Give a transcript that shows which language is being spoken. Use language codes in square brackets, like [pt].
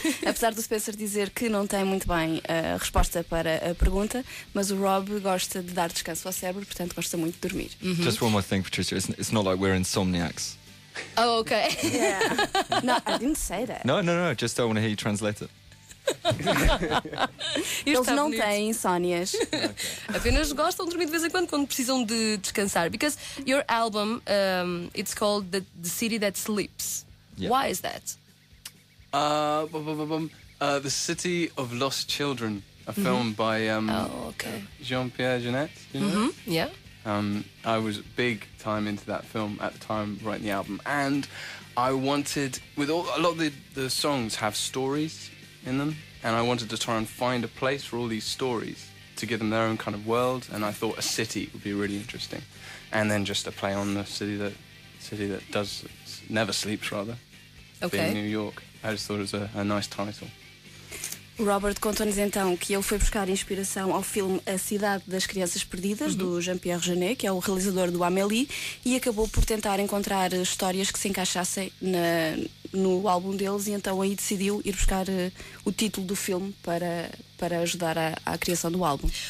[pt] Apesar do Spencer dizer que não tem muito bem a resposta para a pergunta, mas o Rob gosta de dar descanso ao cérebro, portanto gosta muito de dormir. Mm-hmm. [en] Just one more thing, Patricia, it's not like we're insomniacs. Oh, ok. Yeah. No, I didn't say that. No, just don't want to hear you translate it. [pt] Eles não têm insónias. Apenas gostam de dormir de vez em quando precisam de descansar. [en] Because your album, it's called The City That Sleeps. Yep. Why is that? The City of Lost Children, a film by Jean-Pierre Jeunet. I was big time into that film at the time writing the album, and I wanted a lot of the songs have stories in them, and I wanted to try and find a place for all these stories to give them their own kind of world, and I thought a city would be really interesting, and then just a play on the city that does never sleeps, rather. Okay. Being New York, I just thought it was a nice title. [pt] Robert contou-nos então que ele foi buscar inspiração ao filme A Cidade das Crianças Perdidas, do Jean-Pierre Jeunet, que é o realizador do Amélie, e acabou por tentar encontrar histórias que se encaixassem no álbum deles, e então aí decidiu ir buscar o título do filme para ajudar à criação do álbum.